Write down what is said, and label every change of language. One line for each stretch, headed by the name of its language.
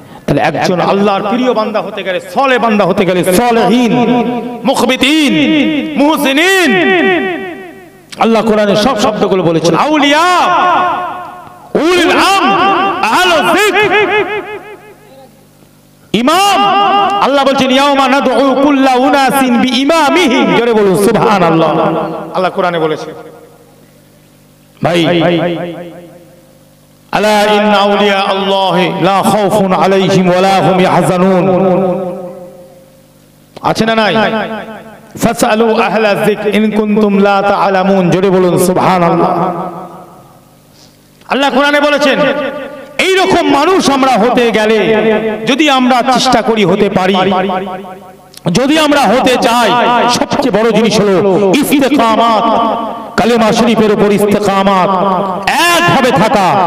Bangla: তাহলে একজন আল্লাহর প্রিয় বান্দা হতে গেলে, সলে বান্দা হতে গেলে, সলেহীন মুখবিতিন মুহসিনিন, আল্লাহ কোরআনে সব শব্দগুলো বলেছেন, আউলিয়া উলুল আমর আহলুল যিকর ইমাম, আল্লাহ বলছেন ইয়াউমা নাদউ কুল্লা উনাসিন বিইমামিহি, জোরে বলুন সুবহানাল্লাহ, আল্লাহ কোরআনে বলেছে ভাই
Arabic: الا ان اولياء الله لا خوف عليهم ولا هم يحزنون
Bangla: আছেন না নাই
Arabic: فسالوا اهل الذكر ان كنتم لا تعلمون
Bangla: জোরে বলুন সুবহানাল্লাহ আল্লাহ কোরআনে বলেছেন এই রকম মানুষ আমরা হতে গেলে যদি আমরা চেষ্টা করি হতে পারি যদি আমরা হতে চাই সবচেয়ে বড় জিনিস হলো ইস্তিকামাত কালেমা শরীফের উপর ইস্তিকামাত একভাবে থাকা